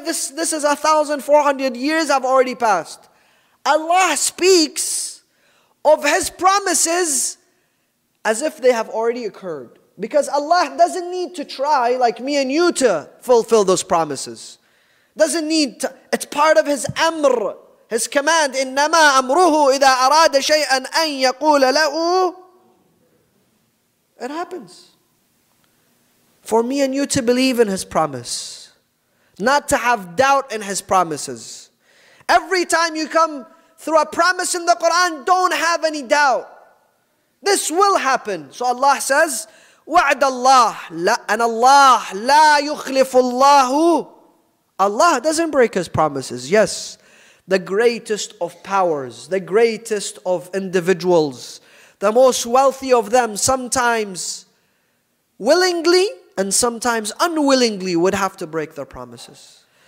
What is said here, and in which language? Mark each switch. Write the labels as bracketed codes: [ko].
[en] This is 1,400 years have already passed. Allah speaks of His promises as if they have already occurred. Because Allah doesn't need to try, like me and you, to fulfill those promises. Doesn't need to. It's part of His amr. His command, [ar] إِنَّمَا أَمْرُهُ إِذَا أَرَادَ شَيْئًا أَنْ يَقُولَ لَهُ. [en] It happens. For me and you to believe in His promise. Not to have doubt in His promises. Every time you come through a promise in the Quran, don't have any doubt. This will happen. So Allah says, [ar] وَعْدَ اللَّهِ. [en] And Allah, [ar] لَا يُخْلِفُ اللَّهُ. [en] Allah doesn't break His promises. Yes. The greatest of powers, the greatest of individuals, the most wealthy of them, sometimes willingly and sometimes unwillingly would have to break their promises.